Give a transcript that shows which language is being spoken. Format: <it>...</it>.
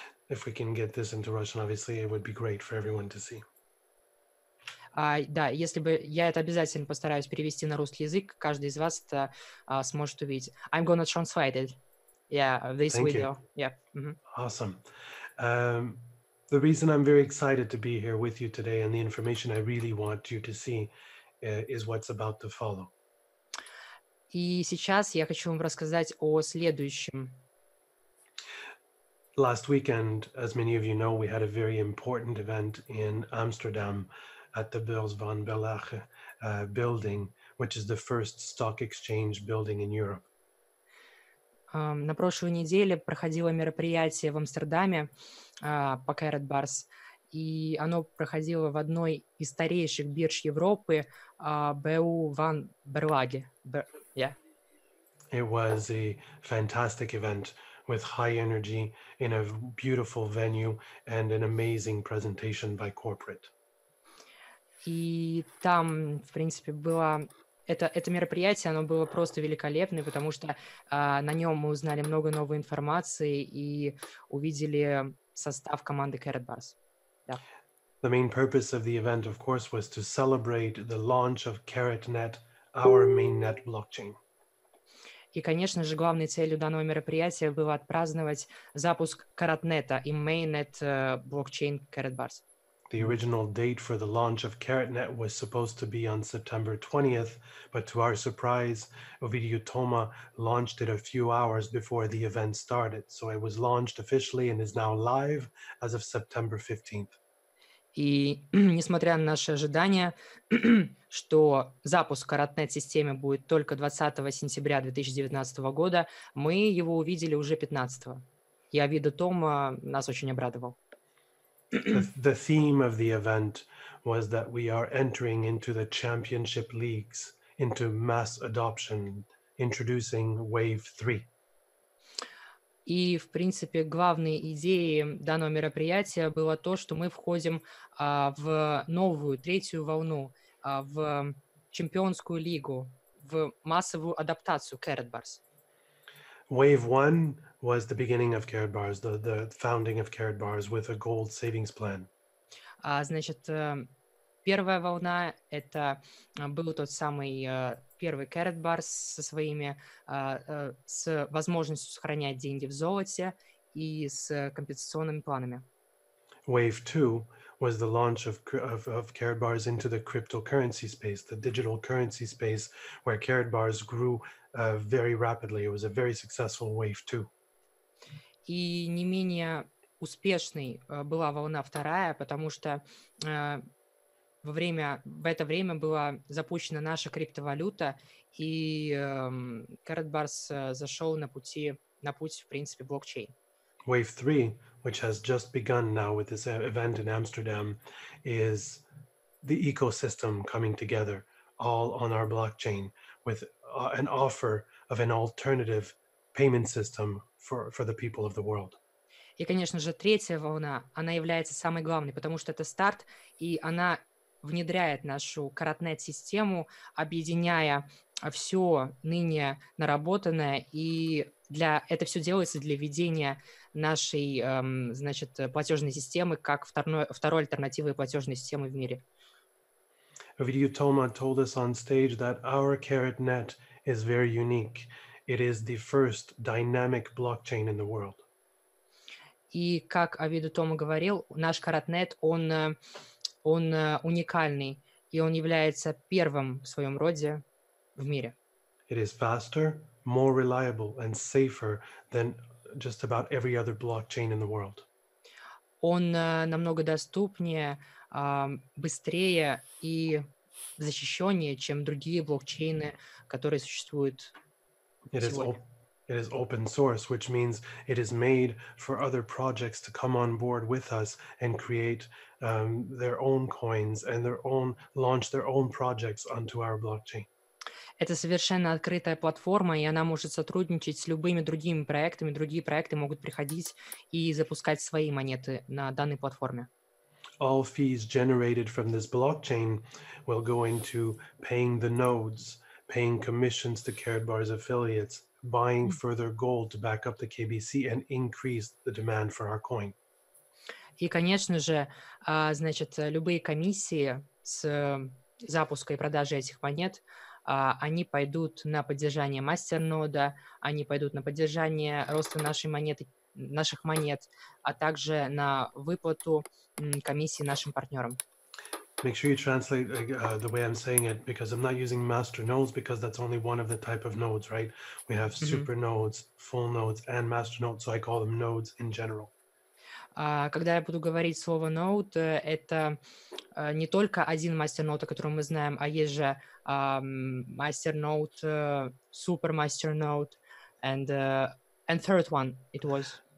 <en>If we can get this into Russian, obviously, it would be great for everyone to see.</en> <ru>Да, если бы я это обязательно постараюсь перевести на русский язык, каждый из вас это сможет увидеть.</ru> <en>I'm gonna translate it. Yeah, this Thank video. You. Yeah. Mm-hmm. Awesome. The reason I'm very excited to be here with you today and the information I really want you to see is what's about to follow.</en> <ru>И сейчас я хочу вам рассказать о следующем.</ru> <en>Last weekend, as many of you know, we had a very important event in Amsterdam at the Beurs van Belleghe building, which is the first stock exchange building in Europe.</en> <ru>На прошлой неделе проходило мероприятие в Амстердаме по Karat Bars, и оно проходило в одной из старейших бирж Европы, BU van Berlage.</ru> <en>It was a fantastic event with high energy in a beautiful venue and an amazing presentation by corporate.</en> <ru>И там, в принципе, было... Это мероприятие, оно было просто великолепное, потому что на нем мы узнали много новой информации и увидели состав команды Karat Bars.</ru> <en>Yeah. The main purpose of the event, of course, was to celebrate the launch of KaratNet, our mainnet blockchain.</en> <ru>И, конечно же, главной целью данного мероприятия было отпраздновать запуск KaratNet и mainnet блокчейн Karat Bars.</ru> <en>The original date for the launch of CaretNet was supposed to be on September 20th, but to our surprise, Ovidiu Toma launched it a few hours before the event started. So it was launched officially and is now live as of September 15th.</en> <ru>И несмотря на наши ожидания, что запуск CaretNet-системы будет только 20 сентября 2019 года, мы его увидели уже 15-го. И Ovidiu Toma нас очень обрадовал.</ru> <en>The theme of the event was that we are entering into the championship leagues, into mass adoption, introducing wave 3.</en> <ru>И, в принципе, главной идеей данного мероприятия было то, что мы входим в новую, третью волну, в чемпионскую лигу, в массовую адаптацию CaretBars.</ru> <en>Wave 1 was the beginning of CaretBars, the founding of CaretBars with a gold savings plan.</en> <ru>Значит, первая волна — это был тот самый первый CaretBars со своими, с возможностью сохранять деньги в золоте и с компенсационными планами.</ru> <en>Wave 2 was the launch of CaretBars into the cryptocurrency space, the digital currency space, where CaretBars grew very rapidly. It was a very successful wave 2.</en> <ru>И не менее успешной была волна вторая, потому что в это время была запущена наша криптовалюта, и CaretBars зашел на путь, в принципе, блокчейн.</ru> <en>Wave 3, which has just begun now with this event in Amsterdam, is the ecosystem coming together all on our blockchain with an offer of an alternative payment system for the people of the world.</en> <ru>И, конечно же, третья волна, она является самой главной, потому что это старт, и она внедряет нашу CaretNet-систему, объединяя все ныне наработанное, и это все делается для введения нашей, значит, платежной системы как второй альтернативы платежной системы в мире.</ru> <en>Ovidiu Toma told us on stage that our CaretNet is very unique. It is the first dynamic blockchain in the world.</en> <ru>И как Ovidiu Toma говорил, наш CaretNet, он уникальный, и он является первым в своем роде в мире.</ru> <en>It is faster, more reliable, and safer than just about every other blockchain in the world.</en> <ru>Он намного доступнее, быстрее и защищеннее, чем другие блокчейны, которые существуют сегодня.</ru> <en>It is open source, which means it is made for other projects to come on board with us and create their own coins and launch their own projects onto our blockchain.</en> <ru>Это совершенно открытая платформа, и она может сотрудничать с любыми другими проектами. Другие проекты могут приходить и запускать свои монеты на данной платформе.</ru> <en>All fees generated from this blockchain will go into paying the nodes, paying commissions to CaretBars affiliates, buying further gold to back up the KBC and increase the demand for our coin.</en> <ru>И, конечно же, значит, любые комиссии с запуска и продажи этих монет, они пойдут на поддержание мастернода, они пойдут на поддержание роста наших монет, а также на выплату комиссии нашим партнерам.</ru> <en>Make sure you translate the way I'm saying it, because I'm not using master nodes, because that's only one of the type of nodes, right? We have super nodes, full nodes, and master nodes, so I call them nodes in general.</en> <ru>Когда я буду говорить слово node, это не только один мастернод, о котором мы знаем, а есть же мастернод, супер мастернод,</ru> <en>and third one it was.</en>